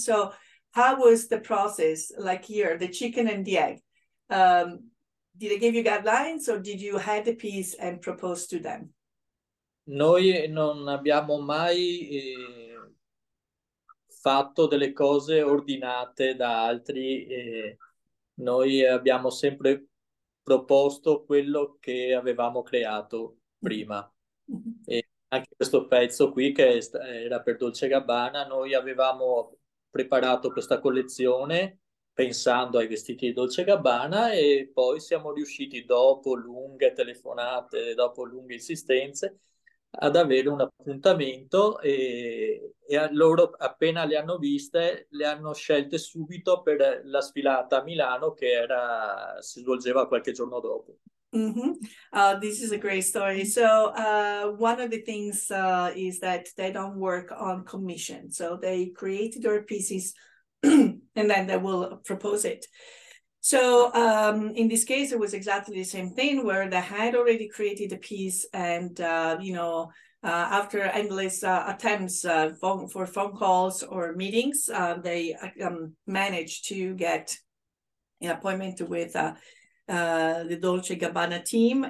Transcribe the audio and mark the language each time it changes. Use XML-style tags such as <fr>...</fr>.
<en>So how was the process, like here, the chicken and the egg? Did they give you guidelines, or did you have the piece and propose to them?</en> <it>Noi non abbiamo mai fatto delle cose ordinate da altri. Noi abbiamo sempre proposto quello che avevamo creato prima. E anche questo pezzo qui, che era per Dolce & Gabbana, noi avevamo preparato questa collezione pensando ai vestiti di Dolce & Gabbana, e poi siamo riusciti, dopo lunghe telefonate, dopo lunghe insistenze, ad avere un appuntamento, e loro, appena le hanno viste, le hanno scelte subito per la sfilata a Milano, che era, si svolgeva qualche giorno dopo.</it> <en>This is a great story. So one of the things is that they don't work on commission. So they create their pieces and then they will propose it. So in this case, it was exactly the same thing, where they had already created a piece, and after endless attempts for phone calls or meetings, they managed to get an appointment with the Dolce & Gabbana team.</en>